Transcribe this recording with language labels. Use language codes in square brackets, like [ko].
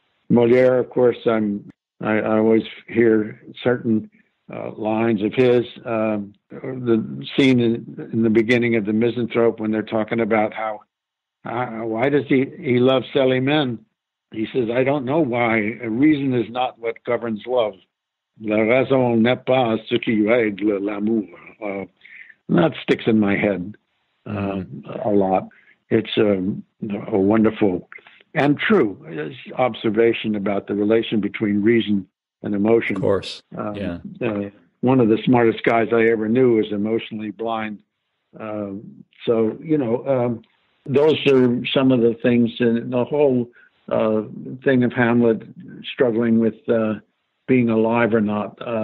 [en] Molière, of course, I always hear certain lines of his. The scene in the beginning of The Misanthrope when they're talking about how, why does he love Selimen? He says, "I don't know why. Reason is not what governs love. [fr] La raison n'est pas ce qui règle l'amour." [en] That sticks in my head a lot. It's a wonderful and true observation about the relation between reason and emotion. Of course, One of the smartest guys I ever knew is emotionally blind. So, you know, those are some of the things in the whole thing of Hamlet struggling with being alive or not.